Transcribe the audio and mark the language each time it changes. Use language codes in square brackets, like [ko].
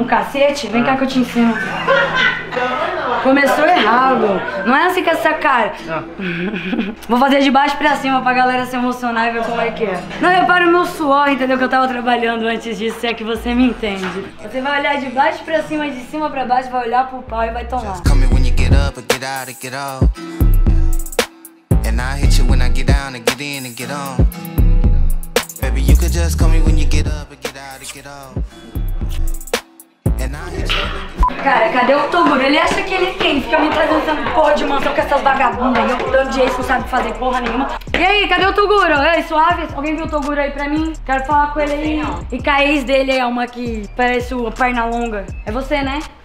[pt] Um cacete? Vem cá que eu te ensino. Começou errado. Não é assim com essa cara. Vou fazer de baixo pra cima pra galera se emocionar e ver como é que é. Não, repara o meu suor, entendeu? Que eu tava trabalhando antes disso, se é que você me entende. Você vai olhar de baixo pra cima, de cima pra baixo, vai olhar pro pau e vai tomar. [en] Just call me when you get up and get out and get out. I hit you when I get down and get in and get on. Baby, you could just call me when you get up and get out and get on. [pt] Cara, cadê o Toguro? Ele acha que ele tem, fica me trazendo porra de mansão com essas vagabundas aí. Eu tô de ex, não sabe fazer porra nenhuma. E aí, cadê o Toguro? Ei, suave? Alguém viu o Toguro aí pra mim? Quero falar com ele aí. E com a ex dele é uma que parece uma perna longa. É você, né?